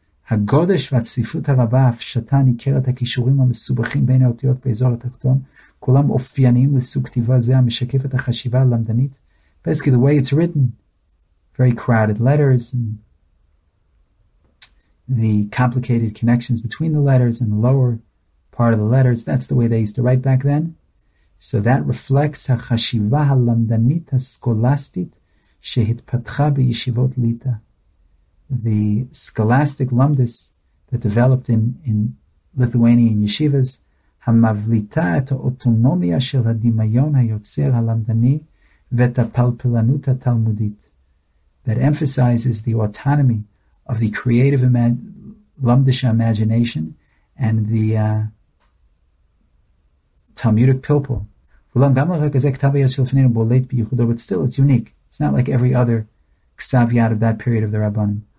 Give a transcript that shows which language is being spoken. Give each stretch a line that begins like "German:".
Hebrew: הגודש והצפיפות הרבה הפשטה ניכרת הכישורים המסובכים בין האותיות באזור התחתון, כולם אופייניים לסוג כתיבה זה המשקף את החשיבה הלמדנית.
English: Basically, the way it's written, very crowded letters, and the complicated connections between the letters and the lower part of the letters, that's the way they used to write back then. So that reflects
Hebrew: החשיבה הלמדנית הסקולסטית שהתפתחה בישיבות ליטא.
English: The scholastic lumdus that developed in Lithuanian yeshivas,
Hebrew: המבליטה את האוטונומיה של הדמיון היוצר הלמדני ואת הפלפלנות התלמודית,
English: that emphasizes the autonomy of the creative lumdish imagination and the Talmudic pilpul.
Hebrew: אולם גם לרק הזה כתב היד שלפנינו בולט ביוחדו,
English: but still it's unique. It's not like every other כתב יד of that period of the Rabbanim.